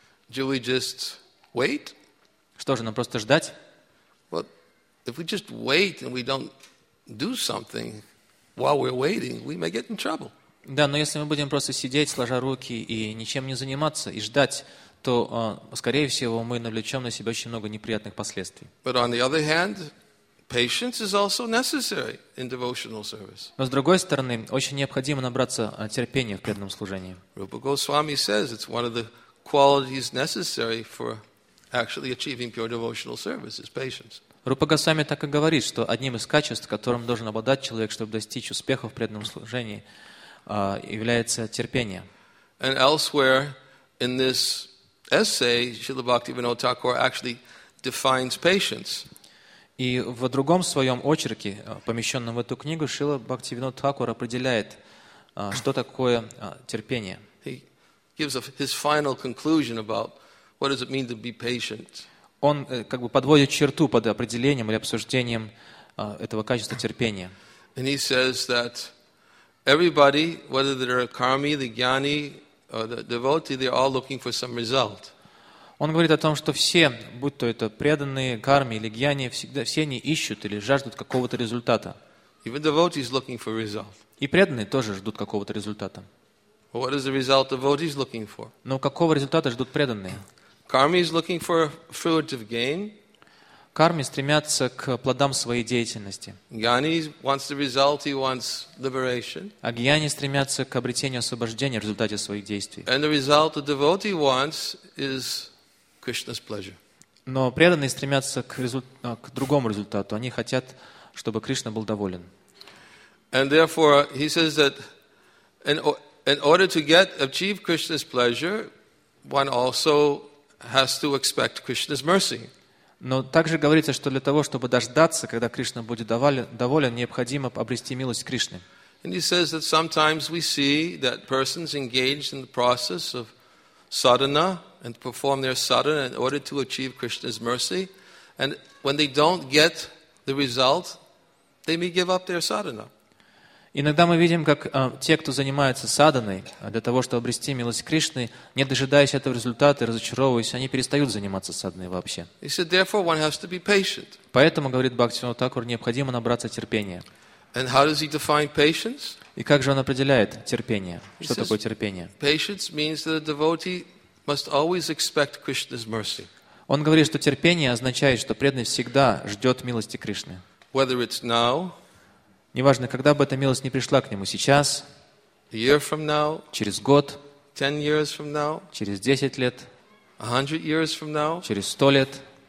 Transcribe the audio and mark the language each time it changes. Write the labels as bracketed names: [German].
[English] Do we just wait? [Russian] Что же, нам просто ждать? [English] Well, if we just wait and we don't do something while we're waiting, we may get in trouble. [Russian] Да, но если мы будем просто сидеть, сложа руки и ничем не заниматься, и ждать, то, скорее всего, мы навлечем на себя очень много неприятных последствий. [English] But on the other hand, patience is also necessary in devotional service. [Russian] Но с другой стороны, очень необходимо набраться терпения в преданном служении. [English] Rupa Goswami says it's one of the qualities necessary for actually achieving pure devotional service is patience. [Russian] Рупа Госвами так и говорит, что одним из качеств, которым должен обладать человек, чтобы достичь успеха в преданном служении, является терпение. [English] And elsewhere in this essay, Śrīla Bhaktivinoda Thakura actually defines patience. [Russian] И в другом своем очерке, помещенном в эту книгу, Śrīla Bhaktivinoda Thakura определяет, что такое терпение. [English] He gives his final conclusion about what does it mean to be patient. [Russian] Он как бы подводит черту под определением или обсуждением этого качества терпения. [English] And he says that everybody, whether they're a karmi, the jnani, or the devotee, they're all looking for some result. [Russian] Он говорит о том, что все, будь то это преданные, карми или гьяни, всегда все они ищут или жаждут какого-то результата. [English] Even devotee is looking for result. [Russian] И преданные тоже ждут какого-то результата. [English] Well, what is the result devotee is looking for? [Russian] Но какого результата ждут преданные? [English] Karmi is looking for fruit of gain. [Russian] Карми стремятся к плодам своей деятельности. [English] Gyani wants the result, he wants liberation. [Russian] А гьяни стремятся к обретению освобождения в результате своих действий. [English] And the result the devotee wants is Krishna's pleasure. [Russian] Но преданные стремятся к другому результату. Они хотят, чтобы Кришна был доволен. [English] And therefore, he says that in order to achieve Krishna's pleasure, one also has to expect Krishna's mercy. [Russian] Но также говорится, что для того, чтобы дождаться, когда Кришна будет доволен, необходимо обрести милость Кришны. [English] And he says that sometimes we see that persons engaged in the process of sadhana and perform their sadhana in order to achieve Krishna's mercy, and when they don't get the result, they may give up their sadhana. [Russian] Иногда мы видим, как те, кто занимается садханой для того, чтобы обрести милость Кришны, не дожидаясь этого результата и разочаровываясь, они перестают заниматься садханой вообще. [English] He said, therefore, one has to be patient. [Russian] Поэтому, говорит Бхактивинода Тхакур, необходимо набраться терпения. [English] And how does he define patience? [Russian] И как же он определяет терпение? Что такое терпение? [English] Patience means that a devotee must always expect Krishna's mercy. [Russian] Он говорит, что терпение означает, что преданный всегда ждет милости Кришны. [English] whether it's now, [Russian] неважно, когда бы эта милость не пришла к нему, сейчас, [English] a year from now, [Russian] через год, [English] 10 years from now, [Russian] через 10 лет, [English] 100 years from now, [Russian] через 100 лет,